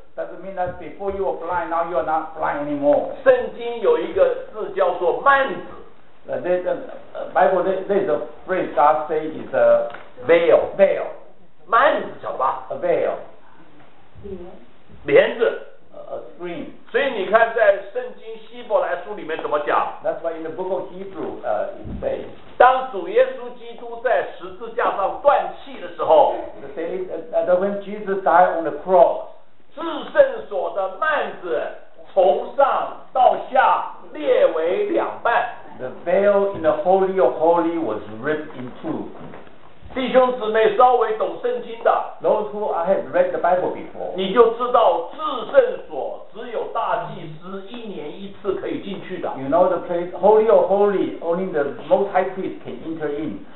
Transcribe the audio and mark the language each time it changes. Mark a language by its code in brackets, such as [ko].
[en] Doesn't mean that before you were blind, now you are not blind anymore. [zh] 圣经有一个字叫做幔子。 [en] Bible, there's a phrase God says is a veil. Veil. [zh] 幔子晓得吧？ [en] A veil. [zh] 帘子。 [en] A screen. [zh] 所以你看在圣经希伯来书里面怎么讲。 [en] That's why in the book of Hebrew it says, [zh] 当主耶稣基督在十字架上断气的时候， [en] When Jesus died on the cross, [zh] 至圣所的幔子从上到下裂为两半。 [en] The veil in the Holy of Holy was ripped in two. [zh] 弟兄姊妹稍微懂圣经的， [en] Those who have read the Bible before, [zh] 你就知道至圣只有大祭司一年一次可以进去的。 [en] You know the place, holy or holy, only the most high priest can enter in.